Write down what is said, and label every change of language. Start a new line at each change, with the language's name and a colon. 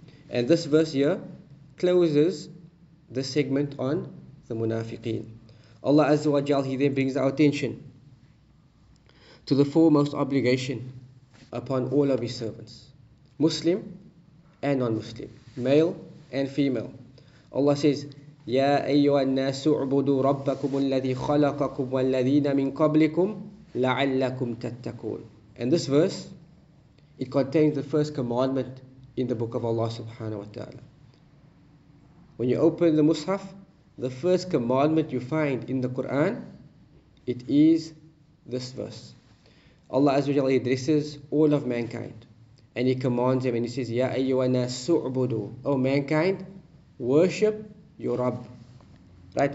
English: And this verse here closes the segment on the munafiqeen. Allah Azza wa Jal, He then brings our attention to the foremost obligation upon all of His servants. Muslim and non-Muslim, male and female. Allah says,
Arabic: يَا أَيُّهَا النَّاسُ اعْبُدُوا رَبَّكُمُ الَّذِي خَلَقَكُمْ وَالَّذِينَ مِنْ قَبْلِكُمْ لَعَلَّكُمْ تَتَّكُونَ.
English: And this verse, it contains the first commandment in the book of Allah subhanahu wa ta'ala. When you open the Mus'haf, the first commandment you find in the Quran, it is this verse. Allah Azza wa Jalla addresses all of mankind and He commands him and He says,
Arabic: Ya ayyuhana su'budu,
English: O mankind, worship your Rabb. Right?